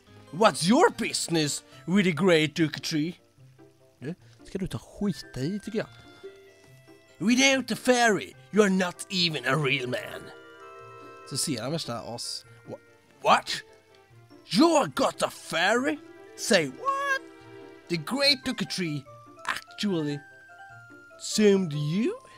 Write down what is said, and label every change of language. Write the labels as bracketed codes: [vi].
[en] What's your business with the Great Oak Tree? [sv] Det ska du ta skit i, tycker jag. [en] Without the fairy, you're not even a real man. [sv] Så ser han värsta oss. [en] What? You got a fairy? Say what? The Great Oak Tree actually summoned you?